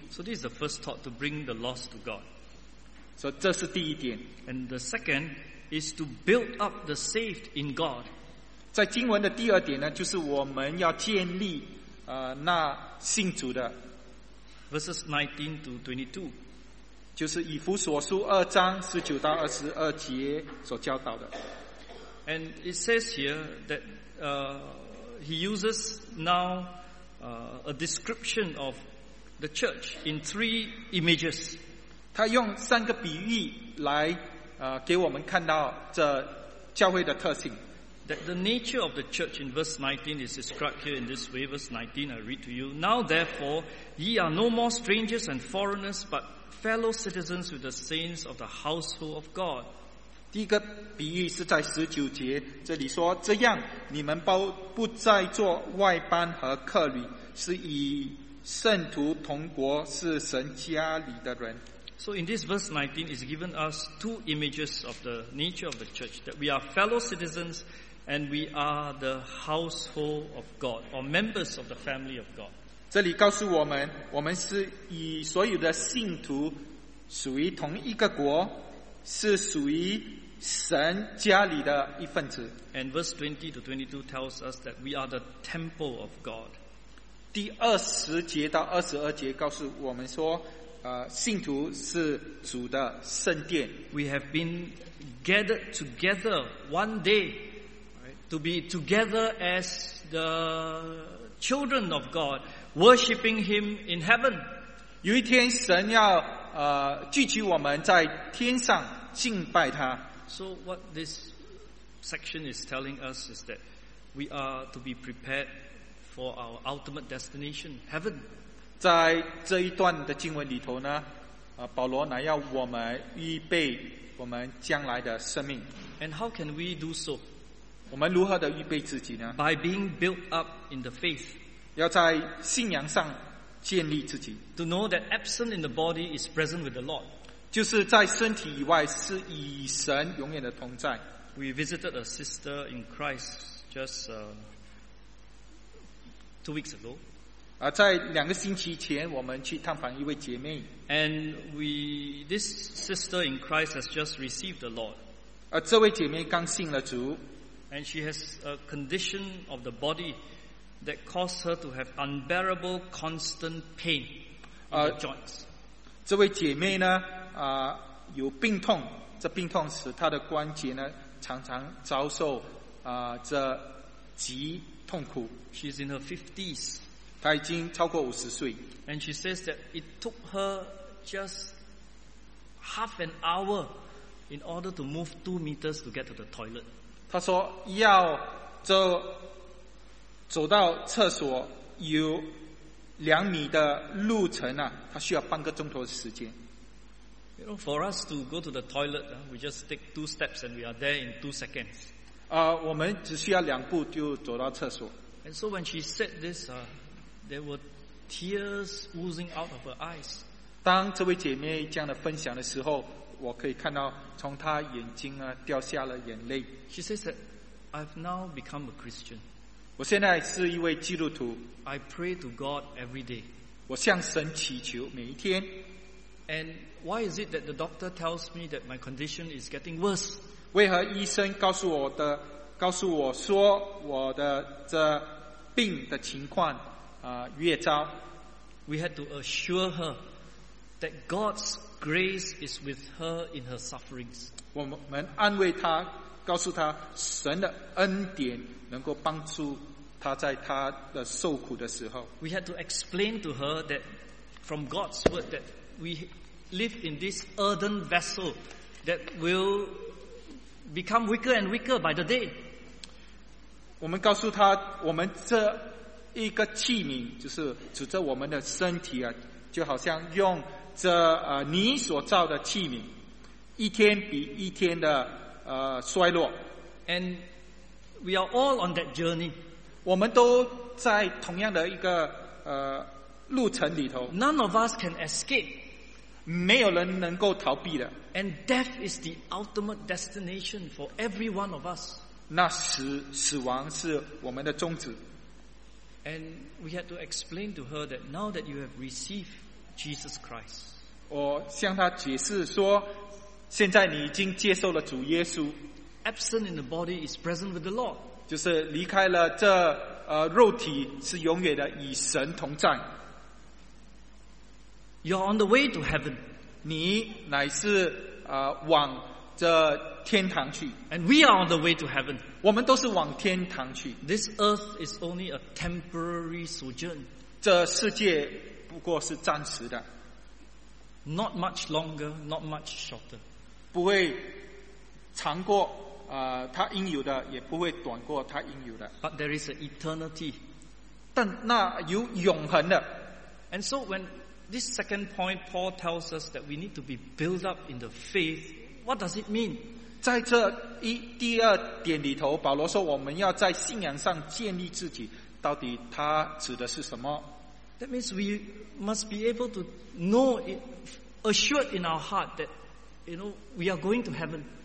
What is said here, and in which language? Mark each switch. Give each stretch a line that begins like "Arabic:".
English: So this is the first thought, to bring the lost to God.
Chinese: So 这是第一点。
English: And the second is to build up the saved in God.
Chinese: 在经文的第二点呢，就是我们要建立，那信主的。
English: Verses 19 to 22。
Chinese: 就是以弗所书二章十九到二十二节所教导的。
English: And it says here that he uses now a description of the church in three images.
Chinese: 他用三个比喻来给我们看到这教会的特性。
English: That the nature of the church in verse 19 is described here in this way. Verse 19, I read to you. Now therefore, ye are no more strangers and foreigners, but fellow citizens with the saints of the household of God.
Chinese: 第一个比喻是在十九节，这里说，这样你们不再做外邦和客旅，是与圣徒同国，是神家里的人。
English: So in this verse 19 is given us two images of the nature of the church, that we are fellow citizens and we are the household of God, or members of the family of God.
Chinese: 这里告诉我们，我们是与所有的信徒属于同一个国，是属于神家里的一份子。
English: And verse 20 to 22 tells us that we are the temple of God.
Chinese: 第二十节到二十二节告诉我们说，信徒是主的圣殿。
English: We have been gathered together one day to be together as the children of God, worshipping Him in heaven.
Chinese: 有一天神要聚集我们在天上敬拜他。
English: So what this section is telling us is that we are to be prepared for our ultimate destination, heaven.
Chinese: 在这一段的经文里头呢，保罗乃要我们预备我们将来的生命。
English: And how can we do so?
Chinese: 我们如何的预备自己呢？
English: By being built up in the faith.
Chinese: 要在信仰上建立自己。
English: To know that absent in the body is present with the Lord.
Chinese: 就是在身体以外是与神永远的同在。
English: We visited a sister in Christ just 2 weeks ago.
Chinese: 在两个星期前我们去探访一位姐妹。
English: And this sister in Christ has just received the Lord.
Chinese: 这位姐妹刚信了主。
English: And she has a condition of the body that caused her to have unbearable constant pain in the joints.
Chinese: 这位姐妹呢，有病痛，这病痛使她的关节呢常常遭受这极痛苦。
English: She's in her 50s.
Chinese: 她已经超过50岁。
English: And she says that it took her just half an hour in order to move 2 meters to get to the toilet.
Chinese: 她说要走到厕所有两米的路程啊，它需要半个钟头的时间。
English: You know, for us to go to the toilet, we just take 2 steps and we are there in 2 seconds.
Chinese: 我们只需要两步就走到厕所。
English: And so when she said this, there were tears oozing out of her eyes.
Chinese: 当这位姐妹这样的分享的时候，我可以看到从她眼睛啊掉下了眼泪。
English: She says that I've now become a Christian.
Chinese: 我现在是一位基督徒。
English: I pray to God every day.
Chinese: 我向神祈求每一天。
English: And why is it that the doctor tells me that my condition is getting worse?
Chinese: 为何医生告诉我说我的这病的情况越糟？
English: We had to assure her that God's grace is with her in her sufferings.
Chinese: 我们安慰她，告诉她神的恩典能够帮助他在他的受苦的时候。
English: We had to explain to her that from God's word that we live in this earthen vessel that will become weaker and weaker by the day.
Chinese: 我们告诉他，我们这一个器皿，就是指着我们的身体啊，就好像用这泥所造的器皿，一天比一天的衰落。
English: And we are all on that journey.
Chinese: 我们都在同样的一个路程里头。
English: None of us can escape.
Chinese: 没有人能够逃避的。
English: And death is the ultimate destination for every one of us.
Chinese: 那死亡是我们的终止。
English: And we had to explain to her that now that you have received Jesus Christ.
Chinese: 我向她解释说，现在你已经接受了主耶稣。
English: Absent in the body is present with the Lord.
Chinese: 就是离开了这肉体是永远的与神同在。
English: You're on the way to heaven.
Chinese: 你乃是往这天堂去。
English: And we are on the way to heaven.
Chinese: 我们都是往天堂去。
English: This earth is only a temporary sojourn.
Chinese: 这世界不过是暂时的。
English: Not much longer, not much shorter.
Chinese: 不会长过他应有的，也不会短过他应有的。
English: But there is an eternity.
Chinese: 但那有永恒的。
English: And so when this second point, Paul tells us that we need to be built up in the faith. What does it mean?
Chinese: 在这第二点里头，保罗说我们要在信仰上建立自己，到底他指的是什么？
English: That means we must be able to know it, assured in our heart that, you know, we are going to heaven.